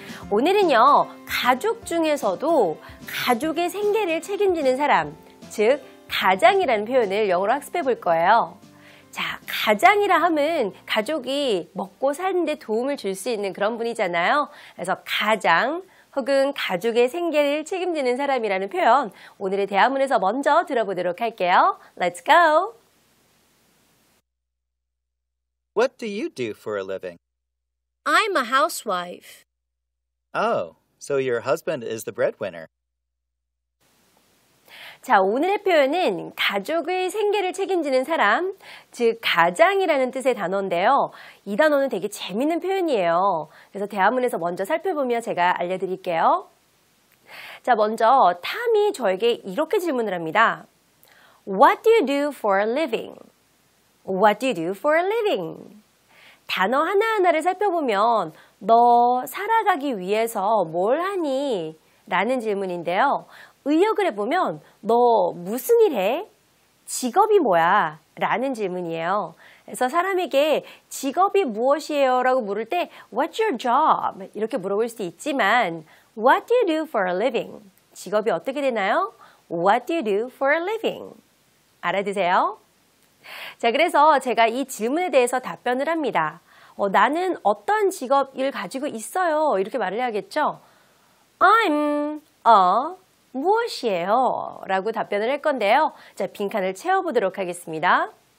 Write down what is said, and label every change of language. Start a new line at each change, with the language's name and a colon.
Korean: 오늘은요, 가족 중에서도 가족의 생계를 책임지는 사람, 즉 가장이라는 표현을 영어로 학습해 볼 거예요. 자, 가장이라 함은 가족이 먹고 사는데 도움을 줄 수 있는 그런 분이잖아요. 그래서 가장 혹은 가족의 생계를 책임지는 사람이라는 표현, 오늘의 대화문에서 먼저 들어보도록 할게요.
English: Let's go! What do you do for a living? I'm a housewife. Oh, so your husband is the breadwinner.
Korean: 자, 오늘의 표현은 가족의 생계를 책임지는 사람, 즉 가장이라는 뜻의 단어인데요. 이 단어는 되게 재밌는 표현이에요. 그래서 대화문에서 먼저 살펴보며 제가 알려드릴게요. 자, 먼저 탐이 저에게 이렇게 질문을 합니다.
English: What do you do for a living? What do you do for a living?
Korean: 단어 하나하나를 살펴보면 너 살아가기 위해서 뭘 하니? 라는 질문인데요. 의역을 해보면 너 무슨 일 해? 직업이 뭐야? 라는 질문이에요. 그래서 사람에게 직업이 무엇이에요? 라고 물을 때
English: What's your job?
Korean: 이렇게 물어볼 수도 있지만
English: What do you do for a living?
Korean: 직업이 어떻게 되나요?
English: What do you do for a living?
Korean: 알아두세요. 자, 그래서 제가 이 질문에 대해서 답변을 합니다. 나는 어떤 직업을 가지고 있어요? 이렇게 말을 해야겠죠?
English: I'm a
Korean: 무엇이에요? 라고 답변을 할 건데요. 자, 빈칸을 채워보도록 하겠습니다.